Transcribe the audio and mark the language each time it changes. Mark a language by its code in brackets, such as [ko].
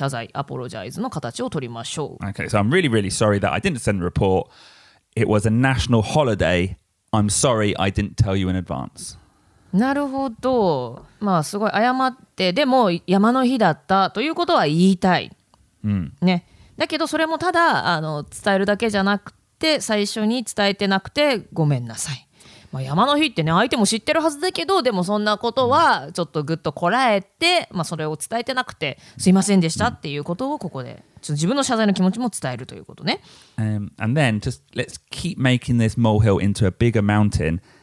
[ja] ははは、何か説明を加える時でさえも、まあ加える時も、それもちょっと謝罪、アポロジャイズの形を取りましょう。 [en] Okay, so I'm really, really sorry that I didn't send a report. It was a national holiday. I'm sorry I didn't tell you in advance. [ja] なるほど。まあすごい謝って、でも山の日だったということは言いたい。ね。だけどそれもただ、伝えるだけじゃなくて、 で、最初に伝えてなくてごめんなさい。まあ、山の日ってね、相手も知ってるはずだけど、でもそんなことはちょっとぐっとこらえて、まあ、それを伝えてなくてすいませんでしたっていうことをここで、自分の謝罪の気持ちも伝えるということね。 [en] And then just let's keep making this molehill into a bigger mountain.